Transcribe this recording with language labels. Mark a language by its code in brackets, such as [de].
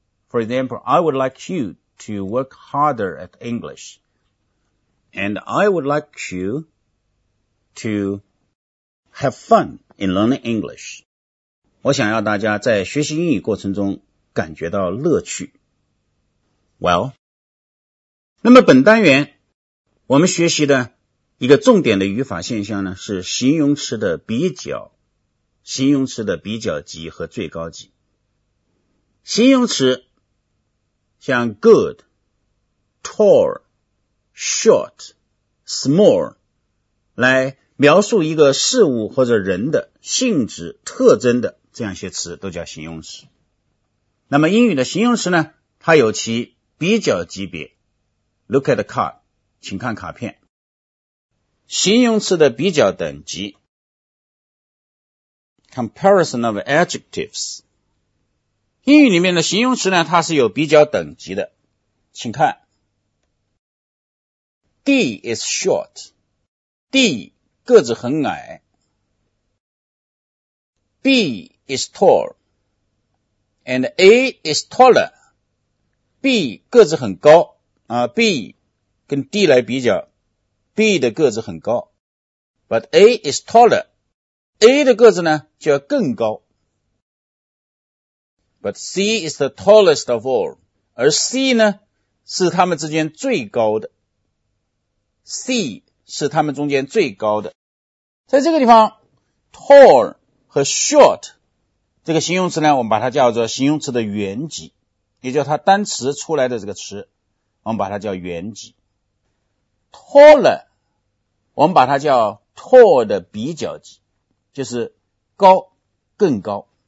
[en] For example, I would like you to work harder at English. And I would like you to have fun in learning English. [zh] 我想要大家在学习英语过程中感觉到乐趣。 Well, 那么本单元我们学习的一个重点的语法现象呢，是形容词的比较，形容词的比较级和最高级。形容词像 good, tall, short, small 来描述一个事物或者人的性质、特征的这样一些词都叫形容词。那么英语的形容词呢，它有其比较级别。 [en] Look at the card, [zh] 请看卡片。形容词的比较等级 [en] Comparison of adjectives。 [zh] 英语里面的形容词呢，它是有比较等级的，请看。 [en] D is short, [zh] D 个子很矮。 [en] B is tall, and A is taller, [zh] B 个子很高啊， B 跟 D 来比较， B 的个子很高， [en] But A is taller, [zh] A 的个子呢就要更高， [en] But C is the tallest of all, [zh] 而 C 呢是他们之间最高的， C 是他们中间最高的。在这个地方 tall 和 short 这个形容词呢，我们把它叫做形容词的原级，也叫它单词出来的这个词，我们把它叫原级。 taller 我们把它叫 tall 的比较级，就是高，更高。